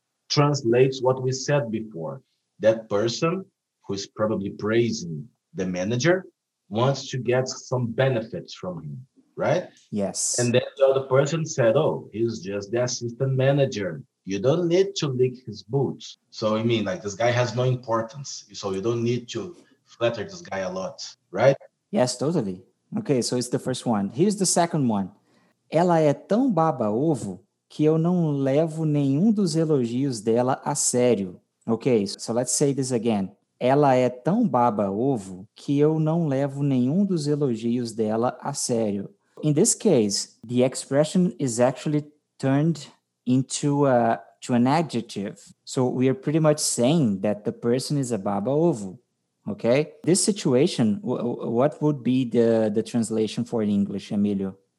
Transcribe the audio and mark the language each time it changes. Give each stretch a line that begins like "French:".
English: translates what we said before. That person who is probably praising the manager wants to get some benefits from him, right? Yes. And then the other person said, oh, he's just the assistant manager. You don't need to lick his boots. So, I mean, like, this guy has no importance. So you don't need to flatter this guy a lot, right? Yes, totally. Okay, so it's the first one. Here's the second one.
Portuguese: Ela é tão baba-ovo que eu não levo nenhum dos elogios dela a sério.
English: Okay, so let's say this again.
Portuguese: Ela é tão baba-ovo que eu não levo nenhum dos elogios dela a sério.
English: In this case, the expression is actually turned into an adjective. So we are pretty much saying that the person is a baba-ovo. Okay? This situation, what would be the translation for in English, Emilio?